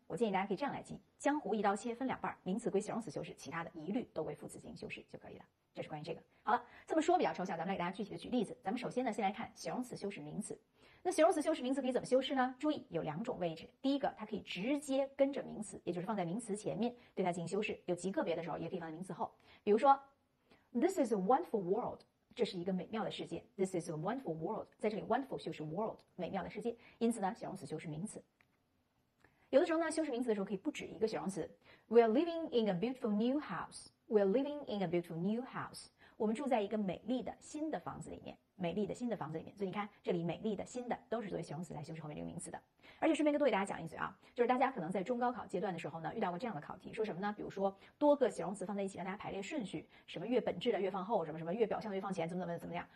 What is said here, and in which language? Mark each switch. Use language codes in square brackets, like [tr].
[zh] 我建议大家可以这样来记：江湖一刀切，分两半，名词归形容词修饰，其他的一律都为副词进行修饰就可以了。这是关于这个。好了，这么说比较抽象，咱们来给大家具体的举例子。咱们首先呢，先来看形容词修饰名词。那形容词修饰名词可以怎么修饰呢？注意有两种位置。第一个，它可以直接跟着名词，也就是放在名词前面，对它进行修饰。有极个别的时候，也可以放在名词后。 [en] 比如说 ，This is a wonderful world。 [zh] 这是一个美妙的世界。 [en] This is a wonderful world。 [zh] 在这里 ，wonderful 修饰 world， 美妙的世界。因此呢，形容词修饰名词。有的时候呢，修饰名词的时候可以不止一个形容词。 [en] We are living in a beautiful new house. We are living in a beautiful new house. [zh] 我们住在一个美丽的新的房子里面，美丽的新的房子里面。所以你看，这里美丽的新的都是作为形容词来修饰后面这个名词的。而且顺便跟各位大家讲一嘴啊，就是大家可能在中高考阶段的时候呢，遇到过这样的考题，说什么呢？比如说多个形容词放在一起，让大家排列顺序，什么越本质的越放后，什么什么越表象的越放前，怎么样？